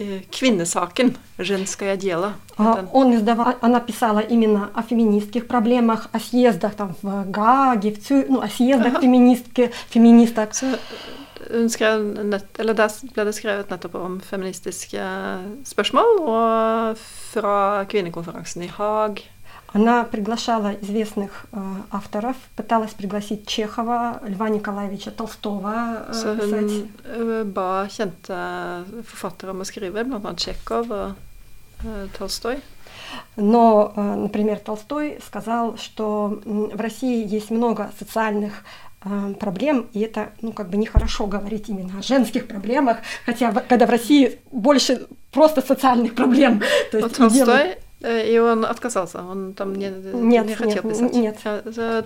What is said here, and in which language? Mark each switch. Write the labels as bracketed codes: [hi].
[no] Kvinnesaken, [ru] женское дело. Она писала именно о феминистских проблемах, о съездах там в Гаге, ну, о съездах феминисток. [no] Hun skrev nett, eller der ble det skrevet nettopp om feministiske spørsmål, og fra kvinnekonferansen i Haag. [ru] Она приглашала известных авторов, пыталась пригласить Чехова, Льва Николаевича Толстого. [no] Så hun ba kjente forfattere om å skrive, blant annet Чехов og Толстой. [ru] Но, например, Толстой сказал, что в России есть много социальных проблем, и это, ну, как бы нехорошо говорить именно о женских проблемах, хотя когда в России больше просто социальных проблем. То есть, Толстой... И он отказался, он там не хотел писать.